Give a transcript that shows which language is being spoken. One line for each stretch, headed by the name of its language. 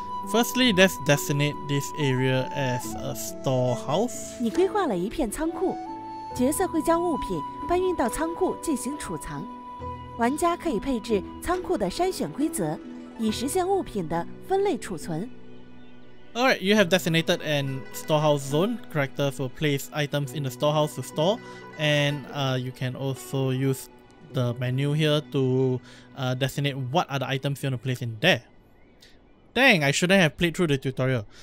English: Firstly, let's designate this area as a storehouse.
Chinese: 你规划了一片仓库，角色会将物品搬运到仓库进行储藏。玩家可以配置仓库的筛选规则，以实现物品的分类储存。
English: Alright, you have designated a storehouse zone. Characters will place items in the storehouse to store, and you can also use the menu here to designate what are the items you want to place in there. Dang, I shouldn't have played through the tutorial.